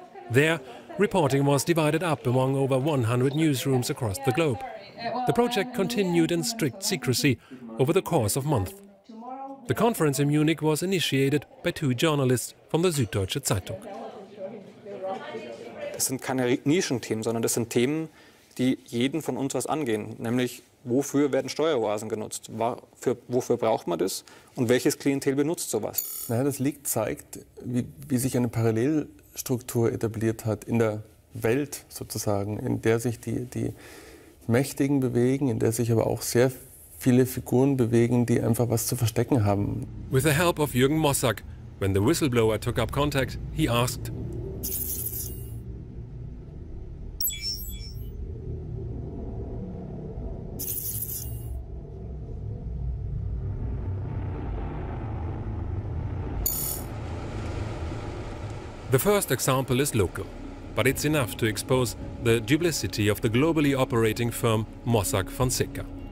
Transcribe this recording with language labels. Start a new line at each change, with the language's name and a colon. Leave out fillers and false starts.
English: There, reporting was divided up among over 100 newsrooms across the globe. The project continued in strict secrecy over the course of months. The conference in Munich was initiated by two journalists from the Süddeutsche Zeitung.
German: Das sind keine Nischenthemen, sondern das sind Themen, die jeden von uns was angehen. Nämlich, wofür werden Steueroasen genutzt? Wofür braucht man das? Und welches Klientel benutzt sowas? Naja, das Leak zeigt, wie sich eine Parallelstruktur etabliert hat in der Welt sozusagen, in der sich die Mächtigen bewegen, in der sich aber auch sehr viele Figuren bewegen, die einfach was zu verstecken haben.
English: With the help of Jürgen Mossack, when the whistleblower took up contact, he asked, the first example is local, but it's enough to expose the duplicity of the globally operating firm Mossack Fonseca.